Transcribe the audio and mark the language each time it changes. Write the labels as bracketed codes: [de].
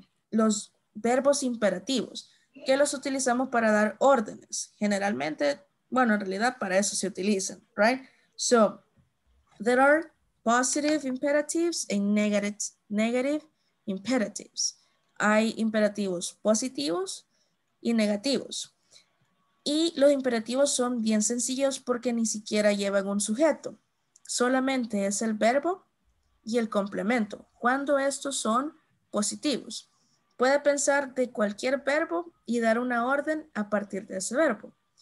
[es] Los verbos imperativos, que los utilizamos para dar órdenes. Generalmente, bueno, en realidad para eso se utilizan, right? [en] So, there are positive imperatives and negative imperatives. [es] Hay imperativos positivos y negativos. Y los imperativos son bien sencillos porque ni siquiera llevan un sujeto. Solamente es el verbo y el complemento. Cuando estos son positivos. Puede pensar de cualquier verbo y dar una orden a partir de ese verbo.